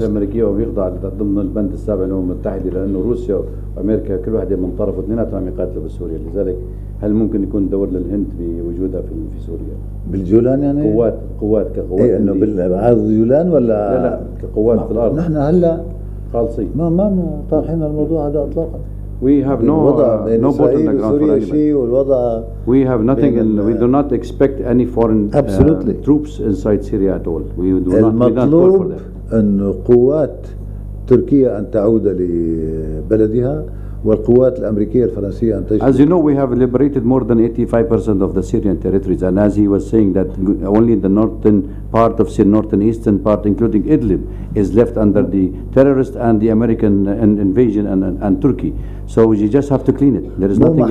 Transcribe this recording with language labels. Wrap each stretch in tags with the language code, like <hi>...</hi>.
<en>The American or Yugda</en> <ar>ضمن البند السابع للمتحدة لأنه روسيا وأمريكا كل واحدة من طرف اثنينات عم يقاتلوا بسوريا لذلك هل ممكن يكون دور للهند بوجودها في سوريا؟ بالجولان يعني؟ قوات كقوات. إيه إنه بالعرض جولان ولا؟ لا كقوات في الأرض. نحن هلا خالصين. ما طرحنا الموضوع هذا إطلاقاً.</ar> <en>We have no boat on the ground for anybody. We have nothing, and we do not expect any foreign troops inside Syria at all. We do not call for them.</en> <ar>أن قوات تركيا أن تعود لبلدها والقوات الأمريكية الفرنسية أن تجد.</ar> <en>As you know, we have liberated more than 85% of the Syrian territories, and as he was saying that only the northern part of Syria, northern eastern part, including Idlib, is left under the terrorist and the American invasion and Turkey. So you just have to clean it. There is nothing</en>